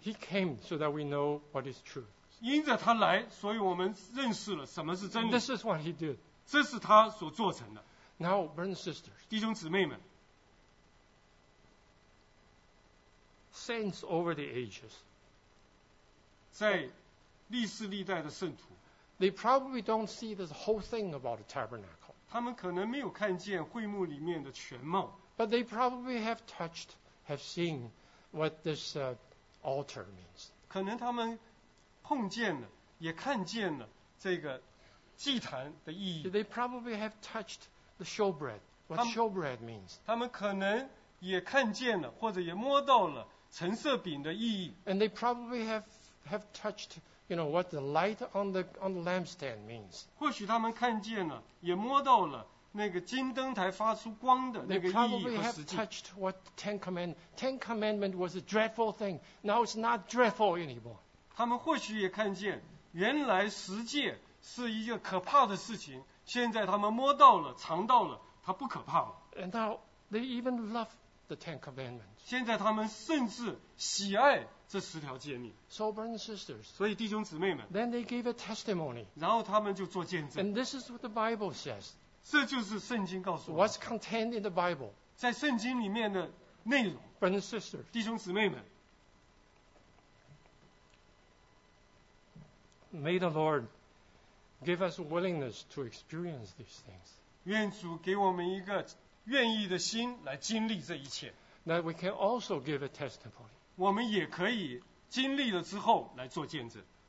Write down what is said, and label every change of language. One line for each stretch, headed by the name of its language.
English: He came so that we know what is truth.
Chinese: 因着他来，所以我们认识了什么是真理。
English: This is what he did.
Chinese: 这是他所做成的。
English: Now, brothers and sisters,
Chinese: 弟兄姊妹们
English: ，Saints over the ages，
Chinese: 在历世历代的圣徒
English: ，They probably don't see this whole thing about the tabernacle.
Chinese: 他们可能没有看见会幕里面的全貌
English: ，But they probably have touched, have seen what this altar means.
Chinese: 可能他们碰见了，也看见了这个祭坛的意义。
English: They probably have touched. The showbread, what showbread means.
Chinese: 他们可能也看见了，或者也摸到了陈设饼的意义。
English: And they probably have touched, you know, what the light on the lampstand means.
Chinese: 或许他们看见了，也摸到了那个金灯台发出光的那个意义和实际。
English: They probably have touched what Ten Commandment was a dreadful thing. Now it's not dreadful anymore.
Chinese: 他们或许也看见，原来十诫是一个可怕的事情。现在他们摸到了，尝到了，它不可怕了。
English: And now they even love the Ten Commandments.
Chinese: 现在他们甚至喜爱这十条诫命。
English: So brothers and sisters.
Chinese: 所以弟兄姊妹们。
English: Then they gave a testimony.
Chinese: 然后他们就做见证。
English: And this is what the Bible says.
Chinese: 这就是圣经告诉我们。
English: What's contained in the Bible?
Chinese: 在圣经里面的内容。
English: Brothers and sisters.
Chinese: 弟兄姊妹们。
English: May the Lord. Give us willingness to experience these things.
Chinese: 愿主给我们一个愿意的心来经历这一切。
English: That we can also give a testimony.
Chinese: 我们也可以经历了之后来做见证。